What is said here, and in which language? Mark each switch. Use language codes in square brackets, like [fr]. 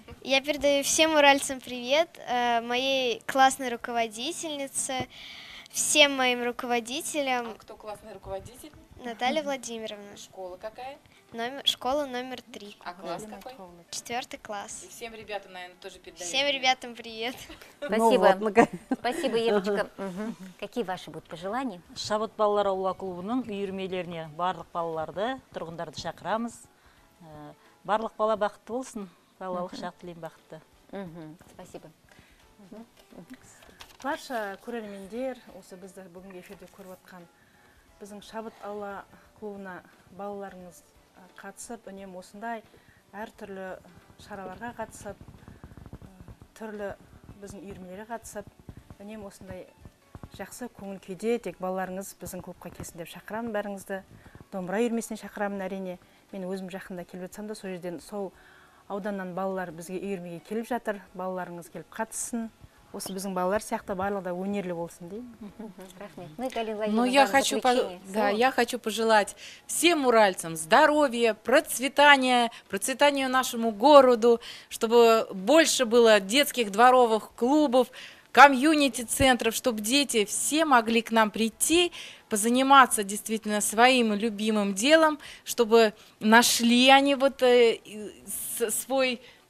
[ru] Я передаю всем уральцам привет, моей классной руководительнице, всем моим руководителям. А кто классный руководитель? Наталья Владимировна. Школа какая? Школа номер 3. А класс какой? 4 класс. И всем ребятам, наверное, тоже передаю. Всем ребятам привет. Спасибо. Спасибо, Евочка. Какие ваши будут пожелания? [kk] Шабыт балалар аула клубының үйірмелеріне барлық балаларды, тұрғындарды шақырамыз. Барлық бала бақытты болсын. Балалық шақ тілеймін бақытты. [ru] Спасибо. [kk] Барша көрермендер, осы бізді бүгінгі эфирде көріп отқан біздің Шабыт аула клубына балаларыңыз қатысып, үнемі осындай әр түрлі шараларға қатысып, түрлі біздің үйірмелерге қатысып, үнемі осындай жақсы көңіл күйде, тек балаларыңыз біздің клубқа келсін деп шақырамын бәріңізді. Домбыра үйірмесіне шақырамын әрине. Мен өзім жақында келіп жатсам да, сол жерден, сол ауданнан балалар бізге үйірмеге келіп жатыр. Балаларыңыз келіп қатыссын. Осы біздің балалар сияқты барлығы да өнерлі болсын деймін. Рахмет. [ru] Ну, я хочу пожелать всем уральцам здоровья, процветания, процветания нашему городу, чтобы больше было детских дворовых клубов, комьюнити-центров, чтобы дети все могли к нам прийти, позаниматься действительно своим любимым делом, чтобы нашли они вот свой...